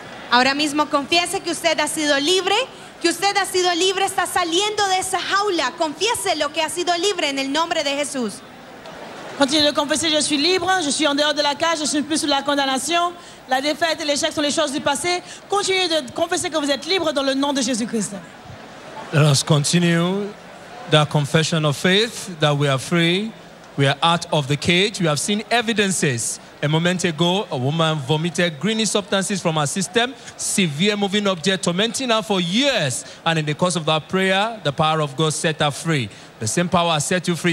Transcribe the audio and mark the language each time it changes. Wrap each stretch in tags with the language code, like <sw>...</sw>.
<es>Ahora mismo confiese que usted ha sido libre. Que usted ha sido libre. Está saliendo de esa jaula. Confiese lo que ha sido libre en el nombre de Jesús.</es> <fr>Continue de confesser, je suis libre, je suis en dehors de la cage, je ne suis plus sous la condamnation. La défaite et l'échec sont les choses du passé. Continuez de confesser que vous êtes libre dans le nom de Jésus-Christ.</fr> <en>Let us continue the confession of faith that we are free, we are out of the cage. We have seen evidences. A moment ago, a woman vomited greeny substances from her system, severe moving object tormenting her for years. And in the course of that prayer, the power of God set her free. The same power has set you free.</en>